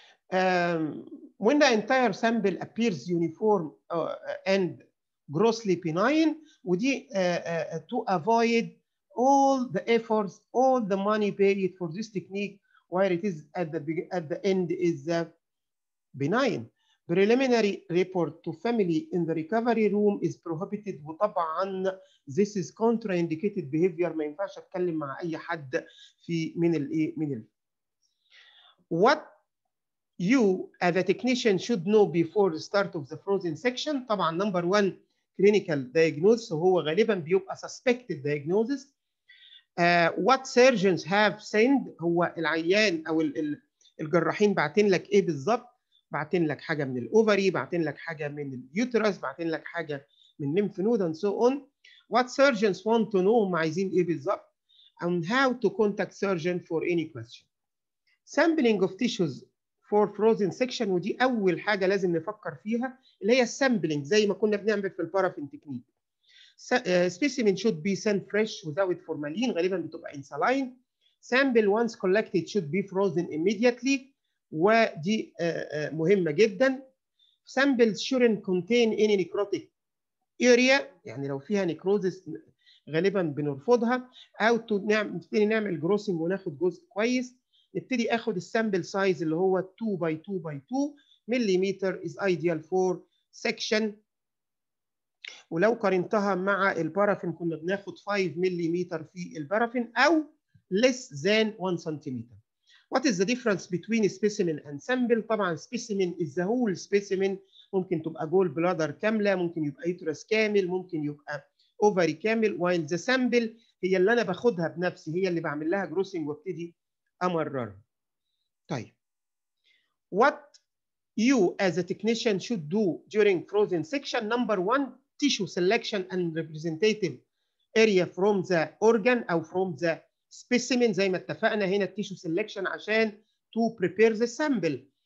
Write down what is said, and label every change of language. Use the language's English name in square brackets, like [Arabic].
[English] When the entire sample appears uniform and grossly benign, would you, to avoid all the efforts, all the money paid for this technique, where it is at the end is benign. Preliminary report to family in the recovery room is prohibited. [Arabic] وطبعا [English] this is contraindicated behavior. [Arabic] ما ينفعش اتكلم مع اي حد في من الايه من ال. [English] What you as a technician should know before the start of the frozen section. [Arabic] طبعا [English] number one clinical diagnosis [Arabic] هو غالبا بيبقى [English] suspected diagnosis. What surgeons have sent, [Arabic] هو العيان او الجراحين بعتين لك ايه بالظبط؟ بعتين لك حاجه من الاوفري، بعتين لك حاجه من اليوترس، بعتين لك حاجه من نيمف نود [English] and so on. what surgeons want to know myosin if it's up, and how to contact surgeon for any question. Sampling of tissues for frozen section, [Arabic] ودي أول حاجة لازم نفكر فيها اللي هي sampling زي ما كنا بنعمل في البارافين تكنيك. [English] Specimen should be sent fresh without formalin, [Arabic] غالبا بتبقى [English] in saline. Sample once collected should be frozen immediately, [Arabic] ودي مهمة جدا. [English] Samples shouldn't contain any necrotic area, [Arabic] يعني لو فيها [English] necrosis [Arabic] غالبا بنرفضها. أو نبتدي نعمل grossing وناخد جزء كويس. نبتدي اخد السامبل سايز اللي هو 2 باي 2 باي 2 مليمتر [English] is ideal for section, [Arabic] ولو قارنتها مع البارافين كنا بناخد 5 مليمتر في البارافين او [English] less than 1 [Arabic] سنتيمتر. [English] What is the difference between specimen and sample؟ [Arabic] طبعا [English] specimen is the whole specimen، [Arabic] ممكن تبقى جول بلادر كامله، ممكن يبقى يترس كامل، ممكن يبقى اوفري كامل، [English] while the sample [Arabic] هي اللي انا باخدها بنفسي، هي اللي بعمل لها جروسنج وابتدي أمرر. طيب [English] what you as a technician should do during frozen section. Number one, tissue selection and representative area from the organ أو from the specimen. [Arabic] زي ما اتفقنا هنا [English] tissue selection [Arabic] عشان [English] to prepare the sample.